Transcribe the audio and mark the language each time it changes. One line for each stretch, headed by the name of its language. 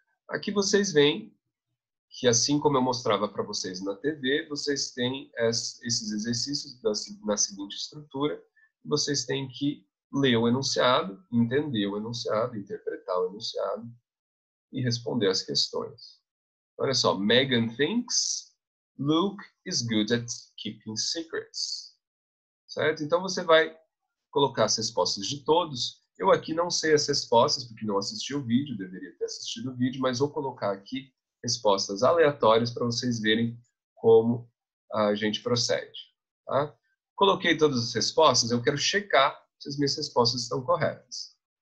Portuguese: Aqui vocês veem que, assim como eu mostrava para vocês na TV, vocês têm esses exercícios na seguinte estrutura. Vocês têm que ler o enunciado, entender o enunciado, interpretar o enunciado e responder as questões. Olha só,
English: Megan thinks Luke is good at keeping secrets.
Portuguese: Certo? Então você vai colocar as respostas de todos. Eu aqui não sei as respostas, porque não assisti o vídeo, deveria ter assistido o vídeo, mas vou colocar aqui respostas aleatórias para vocês verem como a gente procede. Tá? Coloquei todas as respostas, eu quero checar se as minhas respostas estão corretas.